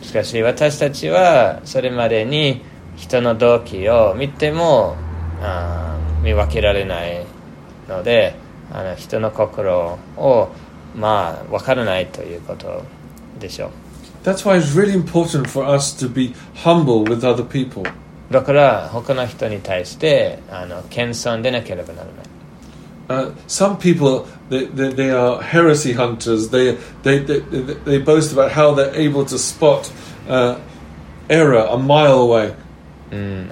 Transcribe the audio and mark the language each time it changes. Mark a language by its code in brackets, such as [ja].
[ja] しかし私たちはそれまでに人の動機を見ても見分けられないので、人の心を分からないということでしょう。 [en] That's why it's really important for us to be humble with other people. [ja] だから他の人に対して謙遜でなければならない。 [en] Some people they are heresy hunters. They boast about how they're able to spot error a mile away.